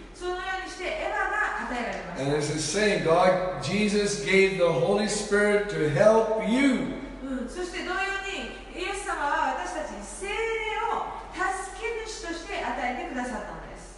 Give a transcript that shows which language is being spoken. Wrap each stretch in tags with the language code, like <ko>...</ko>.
<ja>そのようにしてエヴァが与えられました。</ja> <en>And it's the same. God, Jesus gave the Holy Spirit to help you.</en> <ja>うん、そして同様にイエス様は私たちに聖霊を助け主として与えてくださったんです。</ja>